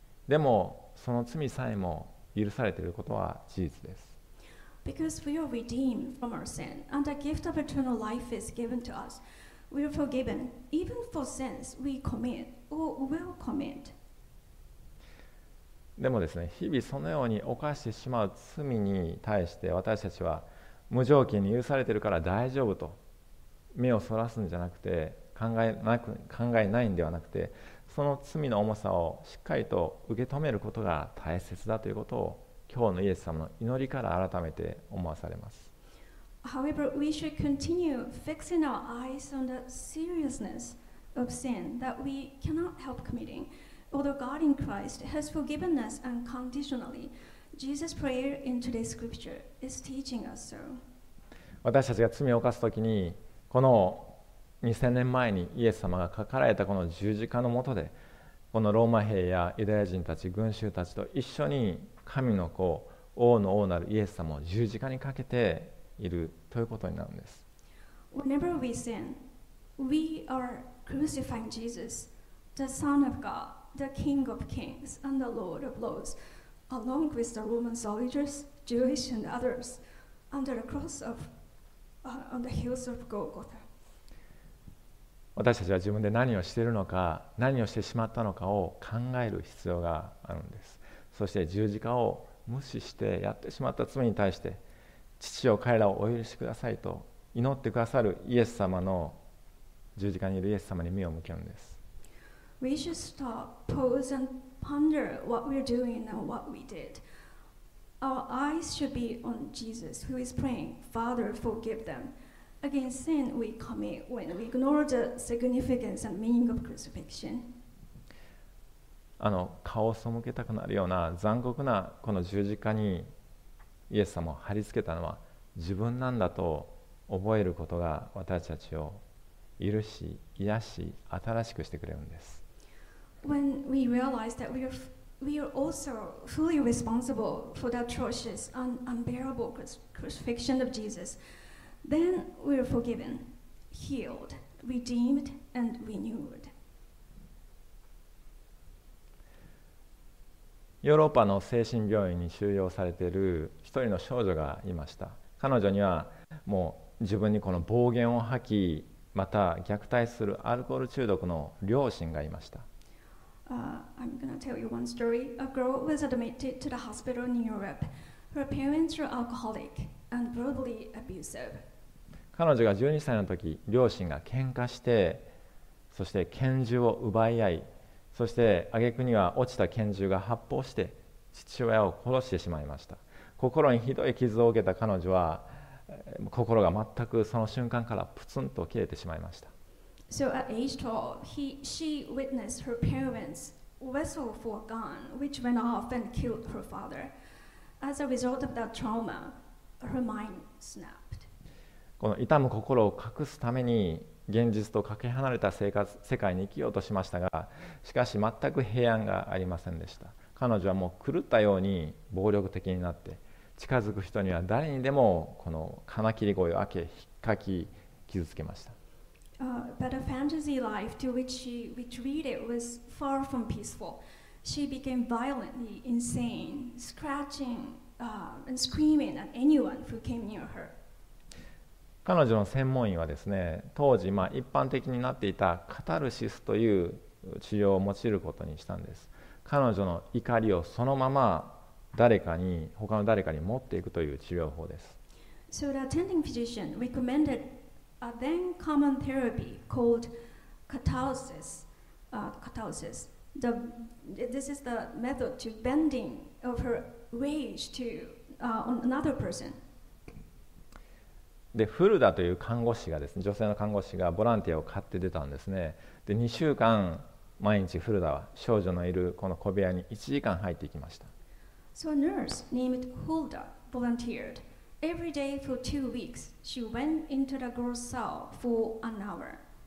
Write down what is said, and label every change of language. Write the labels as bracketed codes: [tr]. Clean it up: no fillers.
[ja] でもその罪さえも許されていることは事実です。 [en] Because we are redeemed from our sin and the gift of eternal life is given to us, we are forgiven even for sins we commit or will commit. [ja] でもですね、日々そのように犯してしまう罪に対して私たちは無条件に許されているから大丈夫と目をそらすんじゃなくて、考えないんではなくて、その罪の重さをしっかりと受け止めることが大切だということを今日のイエス様の祈りから改めて思わされます。 [en] However, we should continue fixing our eyes on the seriousness of sin that we cannot help committing. Although God in Christ has forgiven us unconditionally, Jesus' prayer in today's scripture is teaching us so. [ja] 私たちが罪を犯すときに、この2000年前にイエス様がかかられたこの十字架の下で、このローマ兵やユダヤ人たち群衆たちと一緒に神の子王の王なるイエス様を十字架にかけているということになるんです。 [en] Whenever we sin, we are crucifying Jesus, the Son of God, the King of Kings and the Lord of Lords, along with the Roman soldiers, Jewish and others, under the cross of, on the hills of Golgotha. [ja] 私たちは自分で何をしているのか、何をしてしまったのかを考える必要があるんです。そして十字架を無視してやってしまった罪に対して、父よ彼らをお許しくださいと祈ってくださるイエス様の、十字架にいるイエス様に目を向けるんです。 [en] We should stop, pause and ponder what we're doing and what we did. Our eyes should be on Jesus who is praying, Father forgive themAgainst sin we commit when we ignore the significance and meaning of crucifixion. [ja] あの顔を背けたくなるような残酷なこの十字架にイエス様を貼り付けたのは自分なんだと覚えることが、私たちを許し、癒し、新しくしてくれるんです。 [en] When we realize that we are also fully responsible for the atrocious and unbearable crucifixion of Jesus. Then we are forgiven, healed, redeemed, and renewed. [ja] ヨーロッパの精神病院に収容されている一人の少女がいました。彼女にはもう自分にこの暴言を吐き、また虐待するアルコール中毒の両親がいました。 [en] I'm going to tell you one story. A girl was admitted to the hospital in Europe. Her parents were alcoholic and verbally abusive. [ja] 彼女が12歳の時、両親が喧嘩して、そして拳銃を奪い合い、そして挙句には落ちた拳銃が発砲して父親を殺してしまいました。心にひどい傷を受けた彼女は、心が全くその瞬間からプツンと切れてしまいました。 [en] So at age 12, she witnessed her parents wrestle for a gun, which went off and killed her father. As a result of that trauma, her mind snapped. [ja] この痛む心を隠すために現実とかけ離れた生活世界に生きようとしましたが、しかし全く平安がありませんでした。彼女はもう狂ったように暴力的になって、近づく人には誰にでもこの金切り声を開け、引っかき、傷つけました。 [en] But a fantasy life to which she retreated was far from peaceful. She became violently insane, scratching, and screaming at anyone who came near her. [ja] 彼女の専門医はですね、当時まあ一般的になっていたカタルシスという治療を用いることにしたんです。彼女の怒りをそのまま誰かに、他の誰かに持っていくという治療法です。 [en] So the attending physician recommended A then common therapy called catalysis. Catalysis. This is the method to bending of her rage to another person. [ja] で、フルダという看護師がですね、女性の看護師がボランティアを買って出たんですね。で、2週間毎日フルダは少女のいるこの小部屋に1時間入っていきました。 [en] So a nurse named Hulda volunteered. Every day for 2 weeks, she went into the girl's cell for an hour.